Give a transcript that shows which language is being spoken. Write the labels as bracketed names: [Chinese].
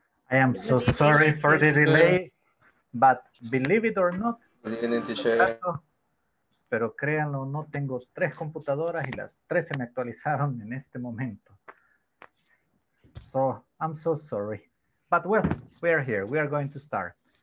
[English] I am so sorry for the delay, but believe it or not, good evening, teacher. [Spanish] Pero créanlo, no tengo tres computadoras y las tres se me actualizaron en este momento. [English] So, I'm so sorry. But well, we are here. We are going to start.